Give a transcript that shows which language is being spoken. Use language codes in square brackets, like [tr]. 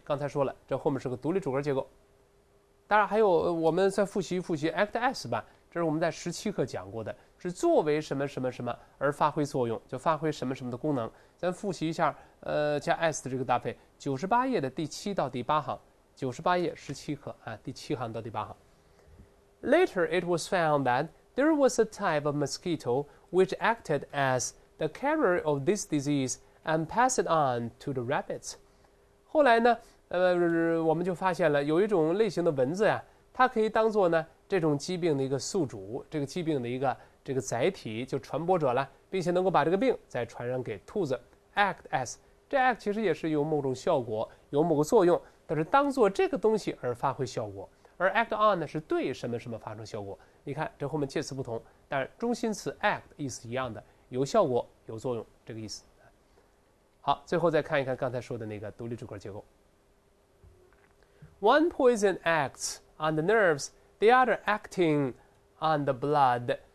[zh] 刚才说了，这后面是个独立组合结构。当然还有我们再复习 act as 吧，这是我们在十七课讲过的。是作为什么什么什么而发挥作用，就发挥什么什么的功能。咱复习一下加 S 的这个搭配，98页的第7到第8行，98页17课啊，第7行到第8行。 [en] Later, it was found that there was a type of mosquito which acted as the carrier of this disease and passed it on to the rabbits. [zh] 后来呢，我们就发现了有一种类型的蚊子呀，它可以当做呢这种疾病的一个宿主，这个疾病的一个这个载体，就传播者了，并且能够把这个病再传染给兔子。 Act as 这 act 其实也是有某种效果，有某个作用，但是当做这个东西而发挥效果。而 act on 呢是对什么什么发生效果。你看这后面介词不同，但是中心词 act 意思一样的，有效果，有作用，这个意思。好，最后再看一看刚才说的那个独立主格结构。 [en] One poison acts on the nerves, the other acting on the blood.